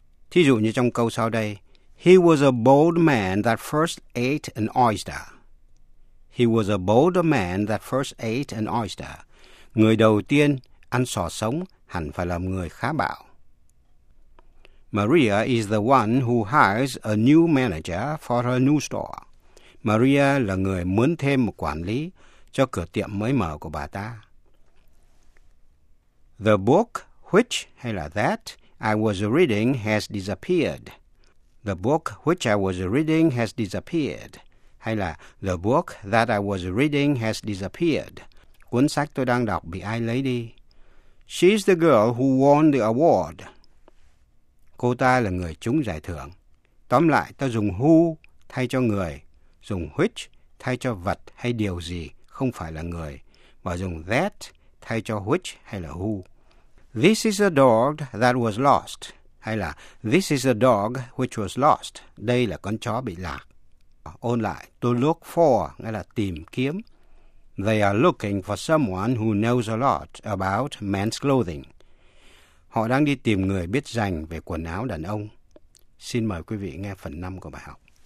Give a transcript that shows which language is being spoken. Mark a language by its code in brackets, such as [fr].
[vi] Thí dụ như trong câu sau đây, [en] he was a bold man that first ate an oyster. He was a bold man that first ate an oyster. [vi] Người đầu tiên ăn sò sống hẳn phải là người khá bạo. [en] Maria is the one who hires a new manager for her new store. [vi] Maria là người mướn thêm một quản lý cho cửa tiệm mới mở của bà ta. [en] The book, which [vi] hay là [en] that, I was reading has disappeared. The book which I was reading has disappeared. [vi] Hay là [en] the book that I was reading has disappeared. [vi] Cuốn sách tôi đang đọc bị ai lấy đi. [en] She's the girl who won the award. [vi] Cô ta là người trúng giải thưởng. Tóm lại, ta dùng who thay cho người, dùng which thay cho vật hay điều gì không phải là người, và dùng that thay cho which hay là who. [en] This is a dog that was lost. [vi] Hay là [en] this is a dog which was lost. [vi] Đây là con chó bị lạc. Ôn lại, [en] to look for, [vi] nghĩa là tìm kiếm. [en] They are looking for someone who knows a lot about men's clothing. [vi] Họ đang đi tìm người biết rành về quần áo đàn ông. Xin mời quý vị nghe phần 5 của bài học.